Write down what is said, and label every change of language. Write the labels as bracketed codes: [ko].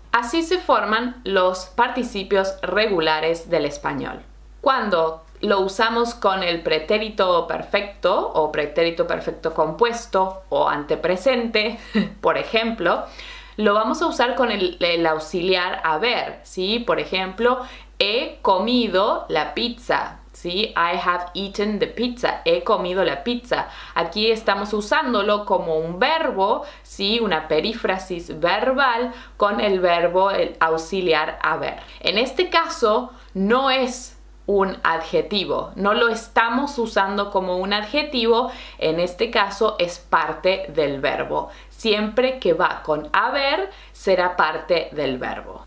[es] Así se forman los participios regulares del español. Cuando lo usamos con el pretérito perfecto o pretérito perfecto compuesto o antepresente, por ejemplo, lo vamos a usar con el auxiliar haber, ¿sí? Por ejemplo, he comido la pizza, ¿sí? [en] I have eaten the pizza, [es] he comido la pizza. Aquí estamos usándolo como un verbo, ¿sí? Una perífrasis verbal con el verbo el auxiliar haber. En este caso, no es un adjetivo. No lo estamos usando como un adjetivo. En este caso es parte del verbo. Siempre que va con haber, será parte del verbo.